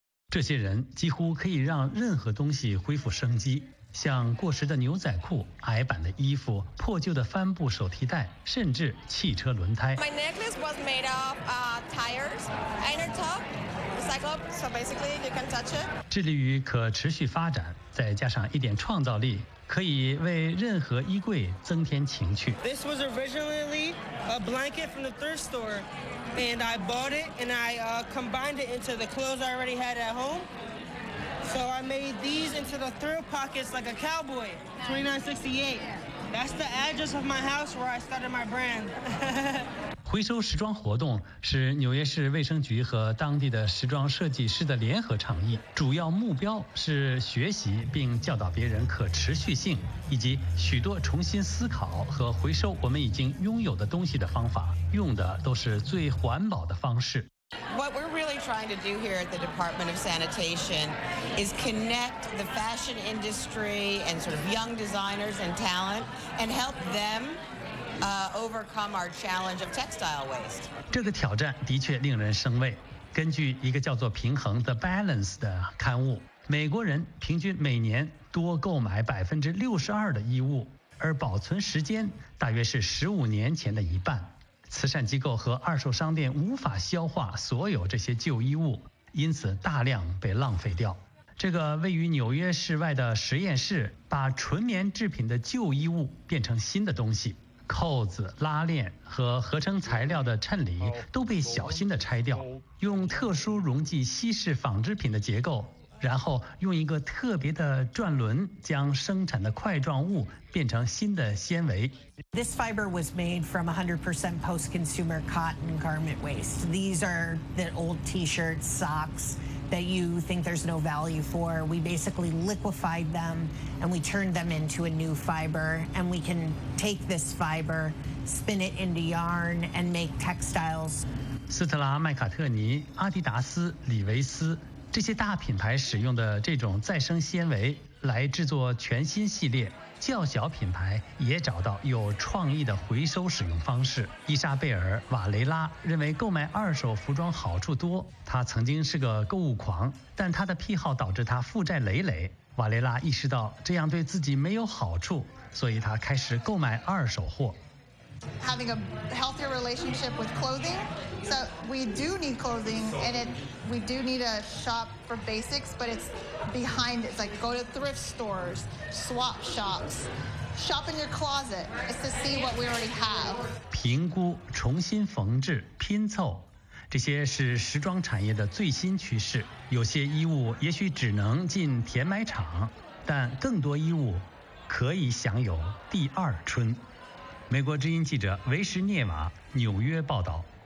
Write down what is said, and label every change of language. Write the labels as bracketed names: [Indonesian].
[Chinese] 这些人几乎可以让任何东西恢复生机，像过时的牛仔裤、矮版的衣服、破旧的帆布手提袋，甚至汽车轮胎。 [English] My necklace was made of tires, inner tub, recycled, so basically you can touch it. [Chinese] 致力于可持续发展，再加上一点创造力，可以为任何衣柜增添情趣。 [English] This was originally a blanket from the thrift store, and I bought it and I combined it into the clothes I already had at home. So I made these into the thrill pockets like a cowboy. 2968. That's the address of my house where I started my brand. [Chinese] 回收时装活动是纽约市卫生局和当地的时装设计师的联合倡议，主要目标是学习并教导别人可持续性，以及许多重新思考和回收我们已经拥有的东西的方法，用的都是最环保的方式。 [English] What we're really trying to do here at the Department of Sanitation is connect the fashion industry and sort of young designers and talent and help them. Overcome our challenge of textile waste. [Chinese] 这个挑战的确令人生畏。根据一个叫做《平衡》The Balance 的刊物，美国人平均每年多购买62%的衣物，而保存时间大约是15年前的一半。慈善机构和二手商店无法消化所有这些旧衣物，因此大量被浪费掉。这个位于纽约市外的实验室，把纯棉制品的旧衣物变成新的东西。扣子、拉链和合成材料的衬里都被小心地拆掉，用特殊溶剂稀释纺织品的结构，然后用一个特别的转轮将生产的块状物变成新的纤维。 [English] This fiber was made from 100% post-consumer cotton garment waste. These are the old T-shirts, socks that you think there's no value for. We basically liquefied them and we turned them into a new fiber. And we can take this fiber, spin it into yarn and make textiles. [Chinese] 斯特拉、麦卡特尼、阿迪达斯、李维斯。这些大品牌使用的这种再生纤维来制作全新系列，较小品牌也找到有创意的回收使用方式。伊莎贝尔·瓦雷拉认为购买二手服装好处多，她曾经是个购物狂，但她的癖好导致她负债累累。瓦雷拉意识到这样对自己没有好处，所以她开始购买二手货。 [English] Having a healthier relationship with clothing. So we do need clothing and we do need a shop for basics, but it's behind, it's like go to thrift stores, swap shops, shop in your closet. It's to see what we already have. [Chinese] 评估、重新缝制、拼凑，这些是时装产业的最新趋势。有些衣物也许只能进填埋场，但更多衣物可以享有第二春。美国之音记者维什涅瓦，纽约报道。